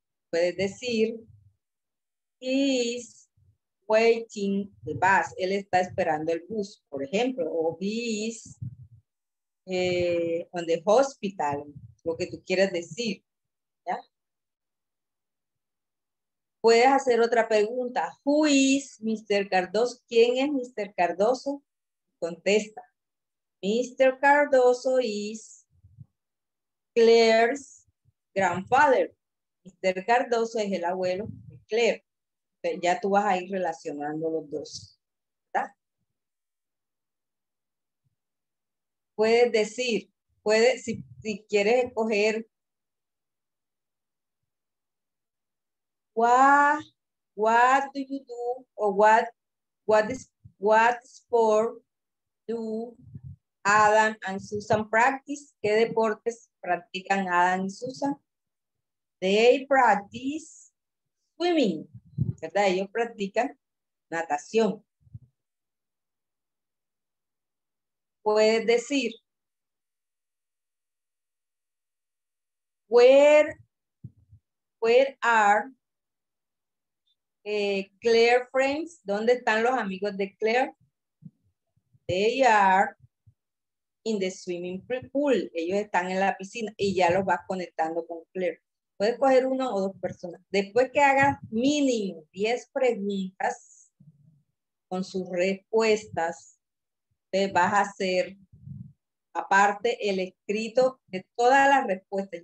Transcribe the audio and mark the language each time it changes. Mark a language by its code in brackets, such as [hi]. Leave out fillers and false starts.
[es] Puedes decir, [en] he is waiting the bus, [es] él está esperando el bus, por ejemplo, o [en] he is on the hospital, [es] lo que tú quieras decir, ¿ya? Puedes hacer otra pregunta, [en] who is Mr. [es] Cardoso, ¿quién es Mr. Cardoso? Contesta, Mr. [en] Cardoso is Claire's grandfather, Mr. [es] Cardoso es el abuelo de Claire. Ya tú vas a ir relacionando los dos, ¿verdad? Puedes decir, si quieres escoger, [en] what do you do, o what sport do Adam and Susan practice? [es] ¿Qué deportes practican Adam y Susan? [en] They practice swimming. [es] ¿Verdad? Ellos practican natación. Puedes decir, [en] where are Claire friends? [es] ¿Dónde están los amigos de Claire? [en] They are in the swimming pool. [es] Ellos están en la piscina y ya los vas conectando con Claire. Puedes coger uno o dos personas. Después que hagas mínimo 10 preguntas con sus respuestas, te vas a hacer, aparte, el escrito de todas las respuestas.